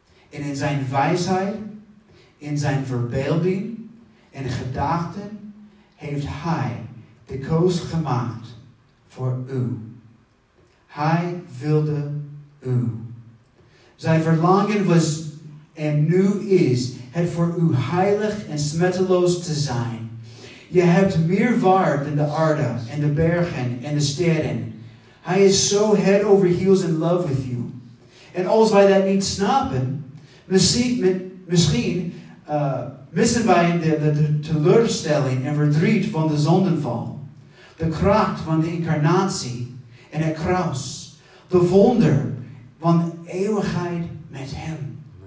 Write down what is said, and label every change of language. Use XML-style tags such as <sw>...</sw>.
<nl>En in zijn wijsheid, in zijn verbeelding en gedachten heeft hij de koos gemaakt voor u. Hij wilde u. Zijn verlangen was en nu is het voor u heilig en smetteloos te zijn. Je hebt meer waard dan de aarde en de bergen en de steden. Hij is zo</nl> <en>head over heels in love with you.</en> <nl>En als wij dat niet snappen, misschien missen wij de teleurstelling en verdriet van de zondenval, de kracht van de incarnatie en het kruis, de wonder van de eeuwigheid met hem.</nl>